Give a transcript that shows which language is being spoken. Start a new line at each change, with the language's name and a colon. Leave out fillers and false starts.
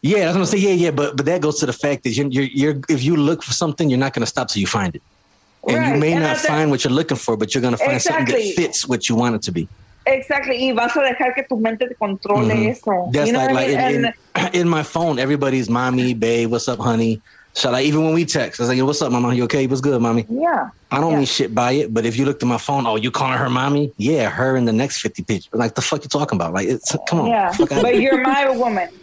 English: Yeah, I was going to say, but that goes to the fact that you're if you look for something, you're not going to stop till you find it. And right. you may and not find what you're looking for, but you're going to find something that fits what you want it to be. Exactly.
Spanish: Y vas a dejar que tu mente te controle eso.
English: That's in my phone, everybody's mommy, babe, what's up, honey? So like, even when we text, I was like, what's up, mama? You okay? What's good, mommy? Yeah. I don't mean shit by it, but if you look to my phone, oh, you calling her mommy? Yeah, her in the next 50 pictures. Like, the fuck you talking about? Like, it's, come on. Yeah, but you're my woman.